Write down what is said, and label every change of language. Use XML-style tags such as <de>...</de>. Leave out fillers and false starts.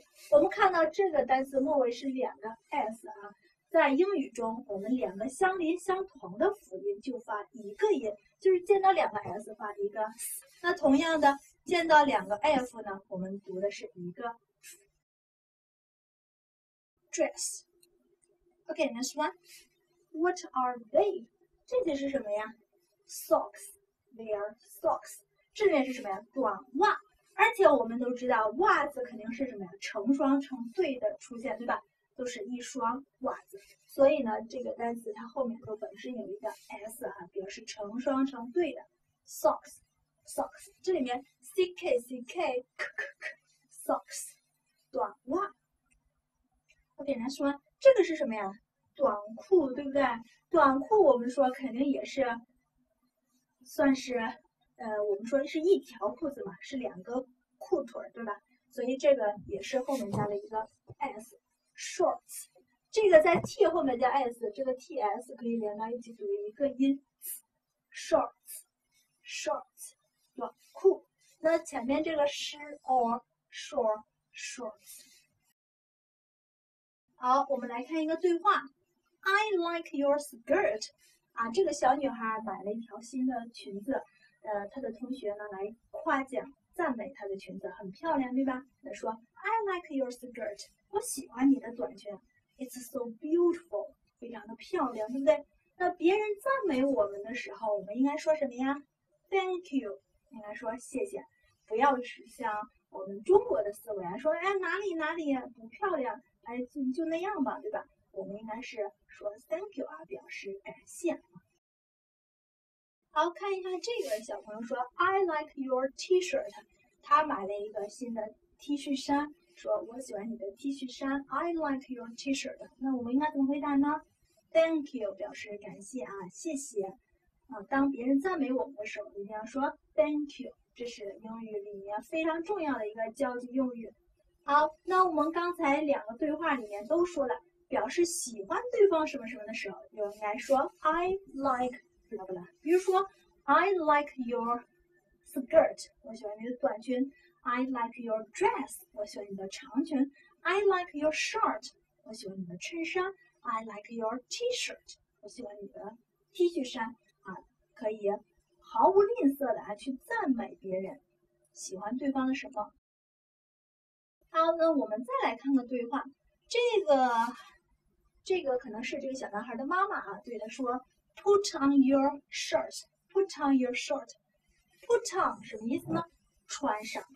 <zh>我们看到这个单词末尾是两个 s 啊，在英语中我们两个相邻相同的辅音就发一个音，就是见到两个 s 发一个 s, 那同样的见到两个 f 呢，我们读的是一个 dress。</zh> <en>OK, next one, what are they?</en> <zh>这些是什么呀？</zh> <en>socks, they are socks,</en> <zh>这边是什么呀？短袜。而且我们都知道袜子肯定是什么呀？成双成对的出现，对吧？都是一双袜子，所所以呢，这个单词它后面都本身有一个 s 哈、啊，表示成双成对的 socks socks。这里面 c k c k k k k socks 短袜。我给他说这个是什么呀？短裤对不对？短裤我们说肯定也是算是我们说是一条裤子嘛，是两个裤腿对吧？所以这个也是后面加了一个 s shorts。这个在 t 后面加 s， 这个 ts 可以连到一起读一个音 shorts shorts 短裤。那前面这个 sh or short shorts。好，我们来看一个对话。</zh> <en>I like your skirt。</en> <zh>啊，这个小女孩买了一条新的裙子，她的同学呢来夸奖赞美她的裙子很漂亮，对吧？她说</zh> <en>I like your skirt，</en> <zh>我喜欢你的短裙。</zh> <en>It's so beautiful，</en> <zh>非常的漂亮，对不对？那别人赞美我们的时候，我们应该说什么呀 ？Thank you， 应该说谢谢，不要是像我们中国的思维啊，说哎哪里哪里不漂亮，哎就那样吧，对吧？我们应该是说 Thank you 啊，表示感谢。好，看一下这个小朋友说</zh> <en>I like your T-shirt，</en> <zh>他买了一个新的 T 恤衫。说我喜欢你的 T 恤衫 ，</zh> <en>I like your T-shirt。</en> <zh>那我们应该怎么回答呢 ？Thank you 表示感谢啊，谢谢啊。当别人赞美我们的时候，一定要说 Thank you。这是英语里面非常重要的一个交际用语。好，那我们刚才两个对话里面都说了，表示喜欢对方什么什么的时候，就应该说 I like， 知道不啦？比如说</zh> <en>I like your skirt，</en> <zh>我喜欢你的短裙。</zh> <en>I like your dress，</en> <zh>我喜欢你的长裙。</zh> <en>I like your shirt，</en> <zh>我喜欢你的衬衫。</zh> <en>I like your T-shirt，</en> <zh>我喜欢你的 T 恤衫。啊，可以毫无吝啬的啊去赞美别人，喜欢对方的什么？好，那我们再来看个对话。这个可能是这个小男孩的妈妈啊对他说 ，</zh> <en>Put on your shirt， put on your shirt，</en> <zh>put on 什么意思呢？穿上。</zh>